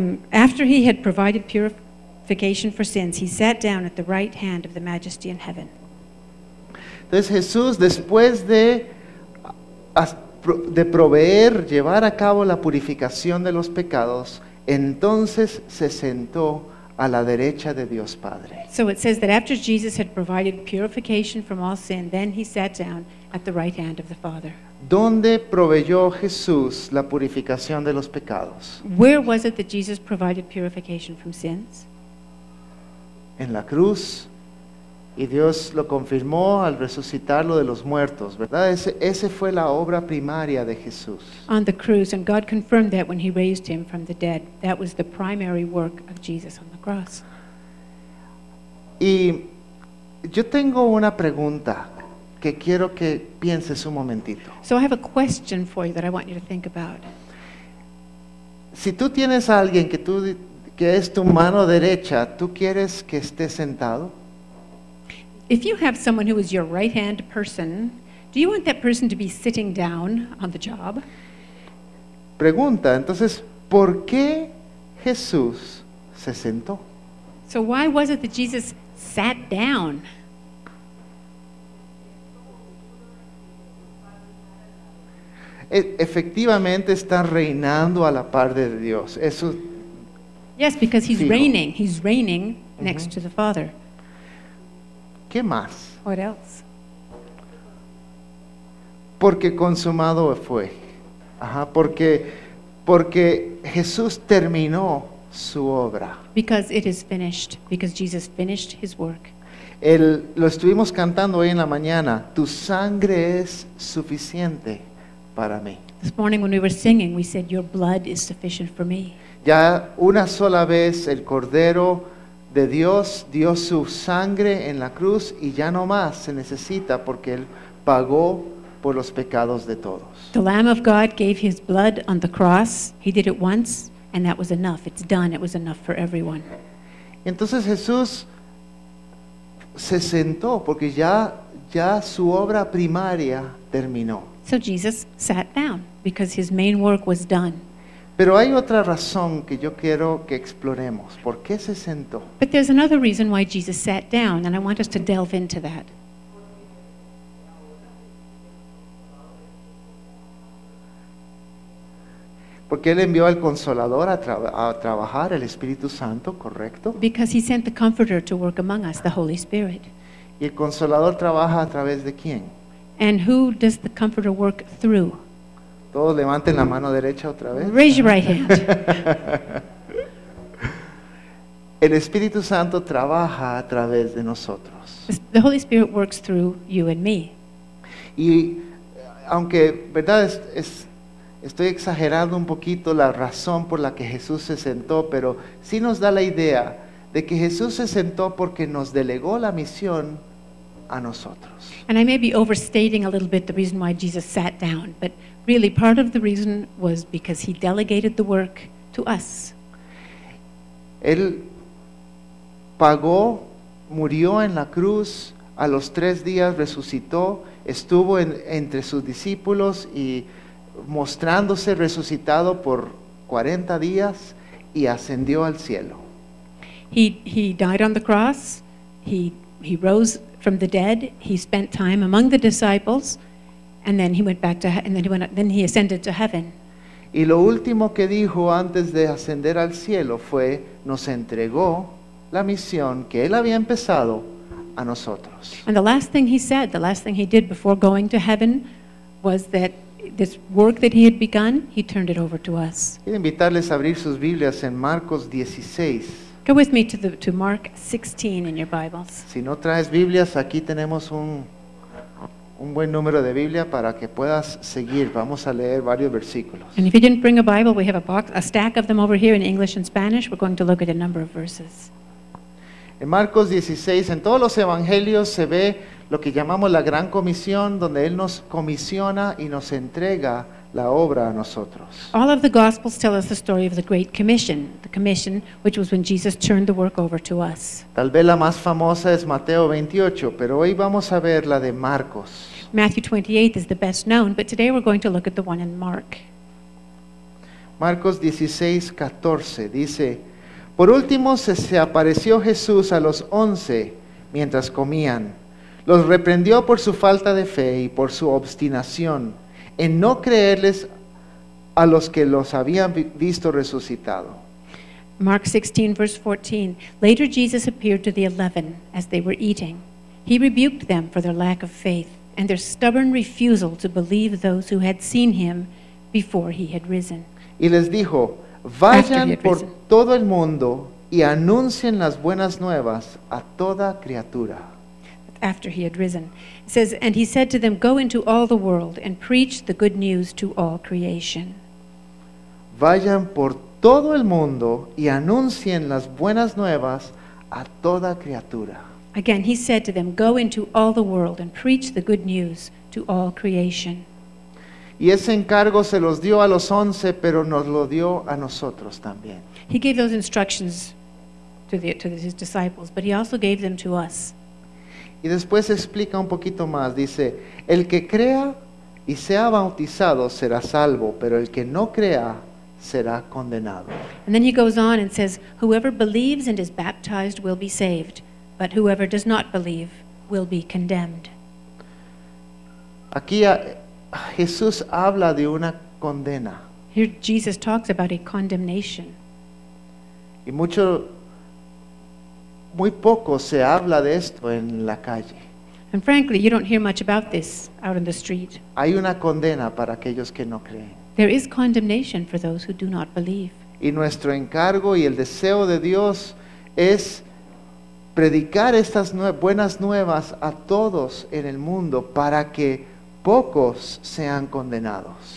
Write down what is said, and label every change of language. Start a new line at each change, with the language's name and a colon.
English: After he had provided purification for sins, he sat down at the right hand of the majesty in heaven.
Spanish: Entonces Jesús, después de proveer, llevar a cabo la purificación de los pecados, entonces se sentó a la derecha de Dios Padre.
English: So it says that after Jesus had provided purification from all sin, then he sat down at the right hand of the Father.
Spanish: ¿Dónde proveyó Jesús la purificación de los pecados?
English: Where was it that Jesus provided purification from sins?
Spanish: En la cruz, y Dios lo confirmó al resucitarlo de los muertos, ¿verdad? Ese fue la obra primaria de Jesús.
English: On the cruz, and God confirmed that when he raised him from the dead. That was the primary work of Jesus on the cross.
Spanish: Y yo tengo una pregunta que quiero que pienses un momentito.
English: So I have a question for you that I want you to think about.
Spanish: Si tú tienes a alguien que es tu mano derecha, ¿tú quieres que esté sentado?
English: If you have someone who is your right-hand person, do you want that person to be sitting down on the job?
Spanish: Pregunta, entonces, ¿por qué Jesús se sentó?
English: So why was it that Jesus sat down?
Spanish: Efectivamente está reinando a la par de Dios. Eso.
English: Yes, because he's reigning. He's reigning next to the Father.
Spanish: ¿Qué más?
English: What else?
Spanish: Porque consumado fue. Ajá, porque Jesús terminó su obra.
English: Because it is finished. Because Jesus finished his work.
Spanish: Lo estuvimos cantando hoy en la mañana. Tu sangre es suficiente para mí.
English: This morning when we were singing, we said, "Your blood is sufficient for me."
Spanish: Ya una sola vez el Cordero de Dios dio su sangre en la cruz y ya no más se necesita porque Él pagó por los pecados de todos.
English: The Lamb of God gave His blood on the cross. He did it once and that was enough. It's done. It was enough for everyone.
Spanish: Entonces Jesús se sentó porque ya su obra primaria terminó.
English: So Jesus sat down because His main work was done.
Spanish: Pero hay otra razón que yo quiero que exploremos. ¿Por qué se sentó?
English: But there's another reason why Jesus sat down, and I want us to delve into that.
Spanish: Porque Él envió al Consolador a trabajar, el Espíritu Santo, ¿correcto?
English: Because He sent the Comforter to work among us, the Holy Spirit.
Spanish: ¿Y el Consolador trabaja a través de quién?
English: And who does the Comforter work through?
Spanish: Todos levanten la mano derecha otra vez.
English: Raise your right hand.
Spanish: El Espíritu Santo trabaja a través de nosotros.
English: The Holy Spirit works through you and me.
Spanish: Y aunque, ¿verdad? Estoy exagerando un poquito la razón por la que Jesús se sentó, pero sí nos da la idea de que Jesús se sentó porque nos delegó la misión a nosotros.
English: And I may be overstating a little bit the reason why Jesus sat down, but really part of the reason was because he delegated the work to us.
Spanish: Él pagó, murió en la cruz, a los tres días resucitó, estuvo entre sus discípulos y mostrándose resucitado por 40 días y ascendió al cielo.
English: He died on the cross, he rose from the dead, he spent time among the disciples, and then he ascended to heaven.
Spanish: Y lo último que dijo antes de ascender al cielo fue, nos entregó la misión que él había empezado a nosotros.
English: And the last thing he said, the last thing he did before going to heaven was that this work that he had begun, he turned it over to us.
Spanish: Quiero invitarles a abrir sus Biblias en Marcos 16.
English: Go with me to Mark 16 in your Bibles.
Spanish: Si no traes Biblias, aquí tenemos un buen número de Biblia para que puedas seguir. Vamos a leer varios versículos.
English: And if you didn't bring a Bible, we have a stack of them over here in English and Spanish. We're going to look at a number of verses.
Spanish: En Marcos 16, en todos los evangelios se ve lo que llamamos la gran comisión, donde él nos comisiona y nos entrega la obra a nosotros.
English: All of the gospels tell us the story of the great commission, the commission which was when Jesus turned the work over to us.
Spanish: Tal vez la más famosa es Mateo 28, pero hoy vamos a ver la de Marcos.
English: Matthew 28 is the best known, but today we're going to look at the one in Mark.
Spanish: Marcos 16:14 dice, por último se apareció Jesús a los 11 mientras comían. Los reprendió por su falta de fe y por su obstinación en no creerles a los que los habían visto resucitado.
English: Mark 16, verse 14. Later Jesus appeared to the 11 as they were eating. He rebuked them for their lack of faith and their stubborn refusal to believe those who had seen him before he had risen.
Spanish: Y les dijo, vayan por todo el mundo y anuncien las buenas nuevas a toda criatura.
English: After he had risen, it says, and he said to them, go into all the world and preach the good news to all creation.
Spanish: Vayan por todo el mundo y anuncien las buenas nuevas a toda criatura.
English: Again, he said to them, go into all the world and preach the good news to all creation.
Spanish: Y ese encargo se los dio a los 11, pero nos lo dio a nosotros también.
English: He gave those instructions to his disciples, but he also gave them to us.
Spanish: Y después explica un poquito más, dice, el que crea y sea bautizado será salvo, pero el que no crea será condenado.
English: And then he goes on and says, whoever believes and is baptized will be saved, but whoever does not believe will be condemned.
Spanish: Aquí Jesús habla de una condena.
English: Here Jesus talks about a condemnation.
Spanish: Y mucho, muy poco se habla de esto en la calle.
English: And frankly, you don't hear much about this out in the street.
Spanish: Hay una condena para aquellos que no creen.
English: There is condemnation for those who do not believe.
Spanish: Y nuestro encargo y el deseo de Dios es predicar estas buenas nuevas a todos en el mundo para que pocos sean condenados.